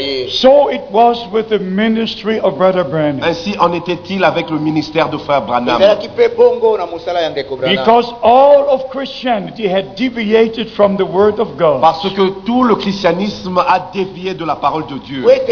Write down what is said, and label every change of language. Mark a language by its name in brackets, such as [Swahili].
[English] So it was with the ministry of Brother Branham. [French] Ainsi en était-il avec le ministère de Frère Branham. [English] Because all of Christianity had deviated from the word of God. [French] Parce que tout le christianisme a dévié de la parole de Dieu.